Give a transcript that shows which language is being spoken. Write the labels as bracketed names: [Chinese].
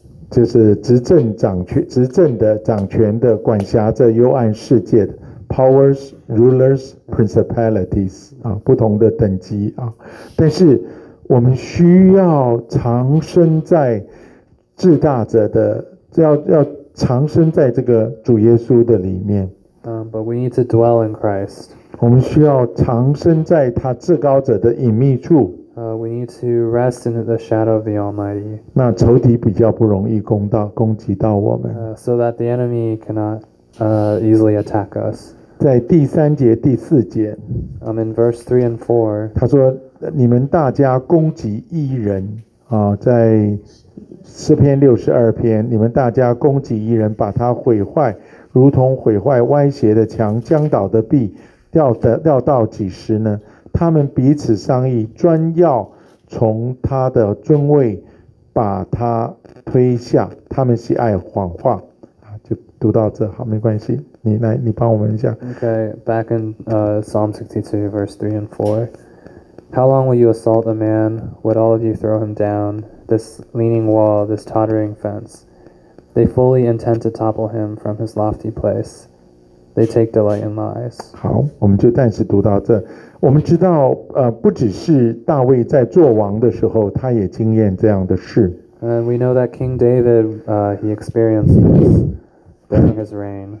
[Chinese] 就是执政的、掌权的、管辖着幽暗世界的 [English] powers, rulers, principalities [Chinese] 啊，不同的等级啊。但是我们需要长生在至大者的，要长生在这个主耶稣的里面。 [English] But we need to dwell in Christ. [Chinese] 我们需要长生在他至高者的隐秘处。 [English] We need to rest in the shadow of the Almighty. [Chinese] 那仇敌比较不容易攻击到我们。 [English] So that the enemy cannot easily attack us. [Chinese] 在第三节、第四节。 [English] In verse 3 and 4. [Chinese] 他说：“你们大家攻击一人啊，在诗篇六十二篇，你们大家攻击一人，把他毁坏，如同毁坏歪斜的墙、将倒的壁，要到几时呢？” 他们彼此商议，专要从他的尊位把他推下。他们喜爱谎话，就读到这，好，没关系，你来，你帮我们一下。 [English] Okay, back in Psalm 62, verse 3 and 4. How long will you assault a man? Would all of you throw him down? This leaning wall, this tottering fence. They fully intend to topple him from his lofty place. They take delight in lies. [Chinese] 好，我们就暂时读到这。我们知道，不只是大卫在作王的时候，他也经验这样的事。 [English] And we know that King David, he experienced this during his reign.